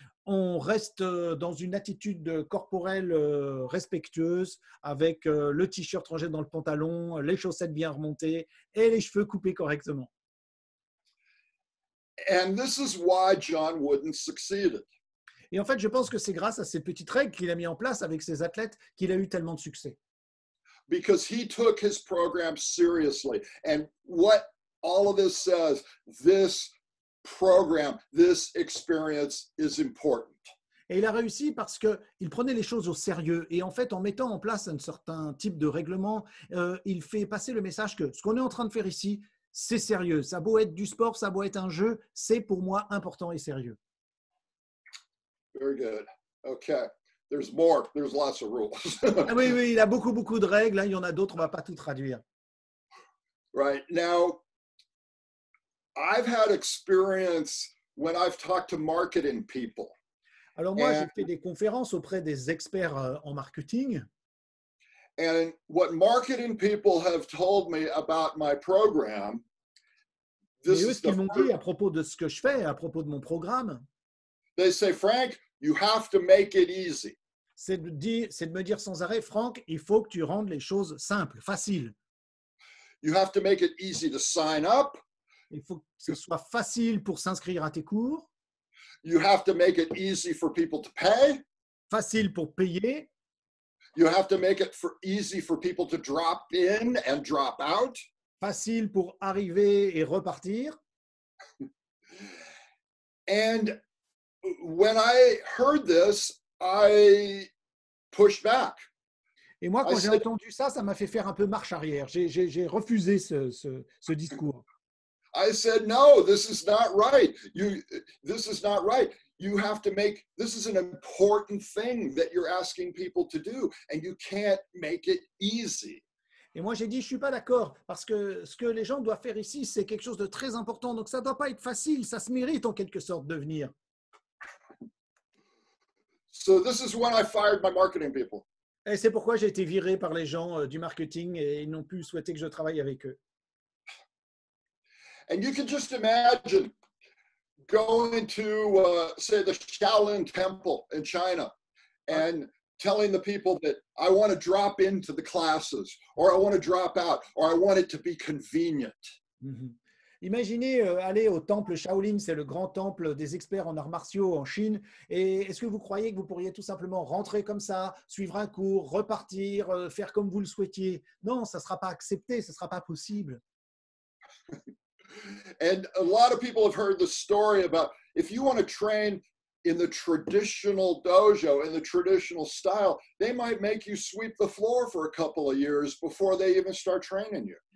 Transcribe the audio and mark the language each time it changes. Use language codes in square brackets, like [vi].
[fr] on reste dans une attitude corporelle respectueuse avec le t-shirt rangé dans le pantalon, les chaussettes bien remontées et les cheveux coupés correctement. [en] And this is why John Wooden succeeded. [fr] Et en fait, je pense que c'est grâce à ces petites règles qu'il a mis en place avec ses athlètes qu'il a eu tellement de succès. [en] Because he took his program seriously. And what all of this says, this program, this experience is important. [fr] Et il a réussi parce que il prenait les choses au sérieux et en fait en mettant en place un certain type de règlement, il fait passer le message que ce qu'on est en train de faire ici, c'est sérieux. Ça peut être du sport, ça peut être un jeu, c'est pour moi important et sérieux. [en] Very good. Okay. There's more. There's lots of rules. [fr] Ah oui, il a beaucoup de règles, il y en a d'autres, on va pas tout traduire. [en] Right. Now I've had experience when I've talked to marketing people. [fr] Alors moi, j'ai fait des conférences auprès des experts en marketing. [en] And what marketing people have told me about my program, this is the first thing. [fr] À propos de ce que je fais, à propos de mon programme. [en] They say, Frank, you have to make it easy. [fr] C'est de me dire sans arrêt, Frank, il faut que tu rendes les choses simples, faciles. [en] You have to make it easy to sign up. [fr] Il faut que ce soit facile pour s'inscrire à tes cours. [en] You have to make it easy for people to pay. [fr] Facile pour payer. [en] You have to make it for easy for people to drop in and drop out. [fr] Facile pour arriver et repartir. [en] And when I heard this, I pushed back. [fr] Et moi, quand j'ai entendu ça, ça m'a fait faire un peu marche arrière. J'ai refusé ce discours. [en] I said, no, this is not right. This is not right. You have to make, this is an important thing that you're asking people to do, and you can't make it easy. [fr] Et moi, j'ai dit, je ne suis pas d'accord, parce que ce que les gens doivent faire ici, c'est quelque chose de très important. Donc, ça ne doit pas être facile. Ça se mérite, en quelque sorte, de venir. [en] So this is when I fired my marketing people. [fr] Et c'est pourquoi j'ai été viré par les gens du marketing et ils n'ont plus souhaité que je travaille avec eux. [en] And you can just imagine going to, say, the Shaolin Temple in China and telling the people that I want to drop into the classes or I want to drop out or I want it to be convenient. Mm-hmm. [fr] Imaginez aller au temple Shaolin, c'est le grand temple des experts en arts martiaux en Chine. Et est-ce que vous croyez que vous pourriez tout simplement rentrer comme ça, suivre un cours, repartir, faire comme vous le souhaitiez? Non, ça ne sera pas accepté, ça ne sera pas possible. [en] And a lot of people have heard the story about if you want to train in the traditional dojo, in the traditional style, they might make you sweep the floor for a couple of years before they even start training you.